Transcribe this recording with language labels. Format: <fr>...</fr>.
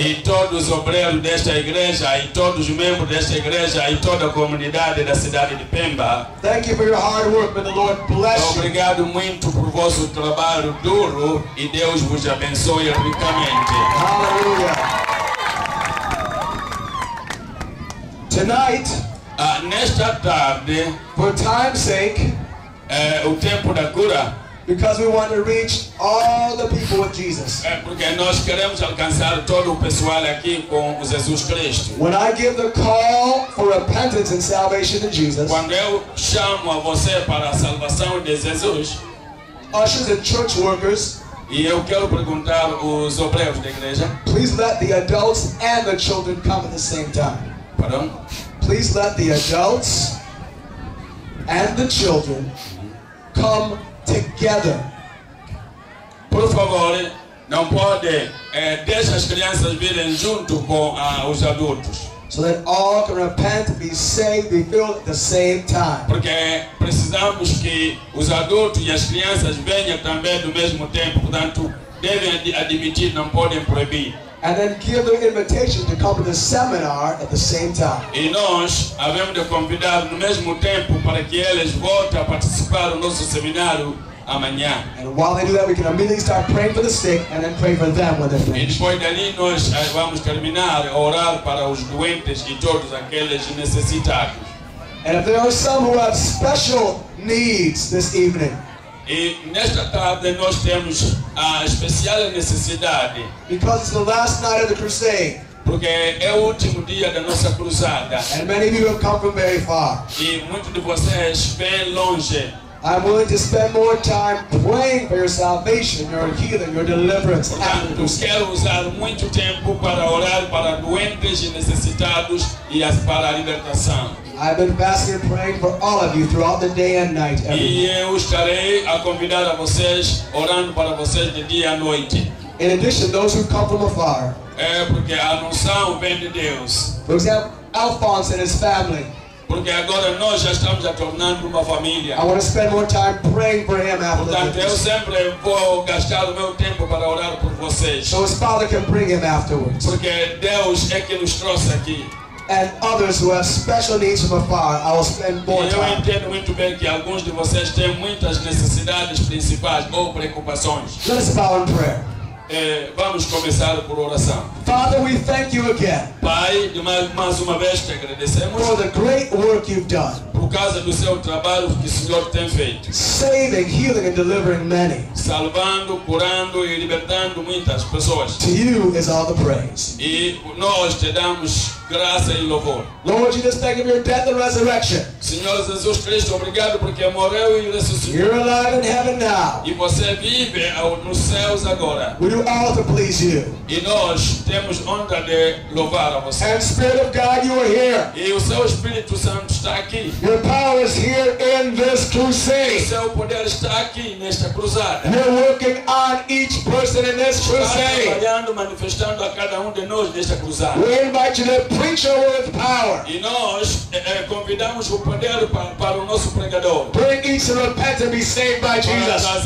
<pt>E todos os obreiros desta igreja, e todos os membros desta igreja, e toda a comunidade da cidade de Pemba.</pt> <en>Thank you for your hard work, may the Lord bless you.</en> <pt>Obrigado muito por vosso trabalho duro e Deus vos abençoe ricamente.</pt> <en>Hallelujah. Tonight,</en> <pt>nesta tarde,</pt> <en>for time's sake,</en> <pt>o tempo da cura.</pt> <en>Because we want to reach all the people with Jesus.</en> <pt>É porque nós queremos alcançar todo o pessoal aqui com Jesus Cristo.</pt> <en>When I give the call for repentance and salvation to Jesus.</en> <pt>Quando eu chamo a você para a salvação de Jesus.</pt> <en>Ushers and church workers.</en> <pt>E eu quero perguntar os obreiros da igreja.</pt> <en>Please let the adults and the children come at the same time.</en> <pt>Perdão?</pt> <en>Please let the adults and the children come together.</en> <pt>Por favor, não pode deixar as crianças virem junto com os adultos.</pt> <en>So that all can repent, be saved, be filled at the same time.</en> <pt>Porque precisamos que os adultos e as crianças venham também no mesmo tempo. Portanto, devem admitir, não podem proibir.</pt> <en>And then give them invitation to come to the seminar at the same time.</en> <pt>E nós havemos de convidar no mesmo tempo para que eles voltem a participar do nosso seminário amanhã.</pt> <en>And while they do that, we can immediately start praying for the sick and then pray for them when they're finished.</en> <pt>E depois dali nós vamos terminar a orar para os doentes e todos aqueles necessitados.</pt> <en>And if there are some who have special needs this evening.</en> <pt>E nesta tarde nós temos a especial necessidade.</pt> <en>Because it's the last night of the crusade.</en> <pt>Porque é o último dia da nossa cruzada.</pt> <en>And many of you have come from very far.</en> <pt>E muitos de vocês vêm longe.</pt> <en>I'm willing to spend more time praying for your salvation, your healing, your deliverance.</en> <pt>Portanto, quero usar muito tempo para orar para doentes e necessitados e para a libertação.</pt> <en>I've been fasting and praying for all of you throughout the day and night.</en> <pt>E eu estarei a convidar a vocês, orando para vocês de dia à noite.</pt> <en>In addition, those who come from afar.</en> <pt>É porque a noção vem de Deus.</pt> <en>For example, Alphonse and his family.</en> <pt>Porque agora nós já estamos a tornando uma família.</pt> <en>I want to spend more time praying for him after the service.</en> <pt>Portanto, eu sempre vou gastar o meu tempo para orar por vocês.</pt> <en>So his father can bring him afterwards.</en> <pt>Porque Deus é que nos trouxe aqui.</pt> <en>And others who have special needs from afar, I will spend more time.</en> <pt>Eu entendo muito bem que alguns de vocês têm muitas necessidades principais ou preocupações.</pt> <en>Let us bow in prayer.</en> <pt>Vamos começar por oração.</pt> <en>Father, we thank you again.</en> <pt>Pai, mais uma vez te agradecemos.</pt> <en>For the great work you've done.</en> <pt>Por causa do seu trabalho que o Senhor tem feito.</pt> <en>Saving, healing and delivering many.</en> <pt>Salvando, curando e libertando muitas pessoas.</pt> <en>To you is all the praise.</en> <pt>E nós te damos graça e louvor.</pt> <en>Lord Jesus, thank you for your death and resurrection.</en> <pt>Senhor Jesus Cristo, obrigado porque morreu e ressuscitou.</pt> <en>You're alive in heaven now.</en> <pt>E você vive nos céus agora.</pt> <en>We do all to please you.</en> <pt>E nós temos honra de louvar a você.</pt> <en>And Spirit of God, you are here.</en> <pt>E o seu Espírito Santo está aqui.</pt> <en>Your power is here in this crusade.</en> <pt>O seu poder está aqui nesta cruzada.</pt> <en>You're working on each person in this crusade.</en> <pt>Está trabalhando, manifestando a cada de nós nesta cruzada.</pt> <en>We invite you to preach your word with power.</en> <pt>E nós convidamos o poder para o nosso pregador.</pt> <en>Bring needs to repent and be saved by Jesus.</en>